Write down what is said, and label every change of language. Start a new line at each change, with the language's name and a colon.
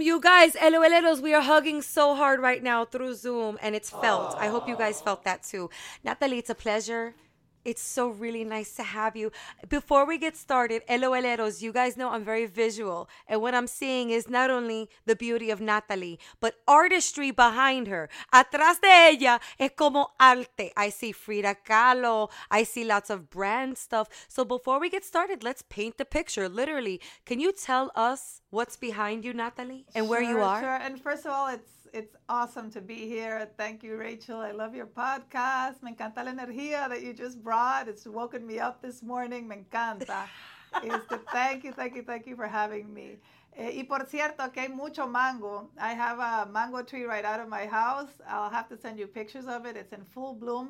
English: You guys, eloeleros, we are hugging so hard right now through Zoom, and it's felt. Oh. I hope you guys felt that too. Natalie, it's a pleasure. It's so really nice to have you. Before we get started, eloeleros, you guys know I'm very visual, and what I'm seeing is not only the beauty of Natalie, but artistry behind her.
Spanish: Atrás de ella es como arte.
English: I see Frida Kahlo. I see lots of brand stuff. So before we get started, let's paint the picture, literally. Can you tell us what's behind you, Natalie, and sure, where you are? Sure. And first of all, it's awesome to be here. Thank you, Rachel. I love your podcast.
Spanish: Me encanta la energía
English: that you just brought. It's woken me up this morning.
Spanish: Me encanta.
English: Thank you for having me.
Spanish: Y por cierto, que hay mucho mango.
English: I have a mango tree right out of my house. I'll have to send you pictures of it. It's in full bloom.